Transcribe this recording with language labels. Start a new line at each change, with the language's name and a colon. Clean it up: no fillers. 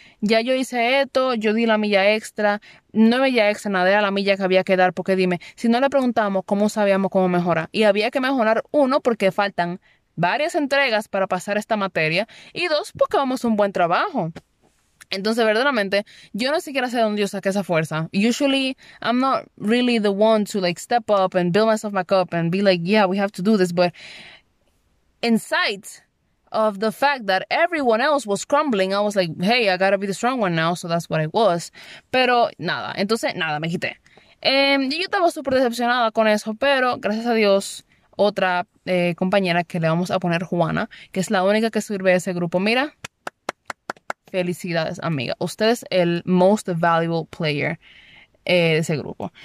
Spanish: Ya yo hice esto, yo di la milla extra. No milla extra, nada, era la milla que había que dar, porque dime, si no le preguntamos, ¿cómo sabíamos cómo mejorar? Y había que mejorar uno porque faltan varias entregas para pasar esta materia y dos, porque vamos a un buen trabajo. Entonces, verdaderamente, yo no siquiera sé dónde yo saqué esa fuerza.
English: Usually, I'm not really the one to like step up and build myself back up and be like, yeah, we have to do this. But in sight of the fact that everyone else was crumbling, I was like, hey, I gotta be the strong one now. So that's what I was.
Spanish: Pero nada, entonces nada, me quité. Yo estaba súper decepcionada con eso, pero gracias a Dios, otra compañera que le vamos a poner Juana, que es la única que sirve a ese grupo, mira. Felicidades, amiga. Usted es el
English: most valuable player
Spanish: de ese grupo.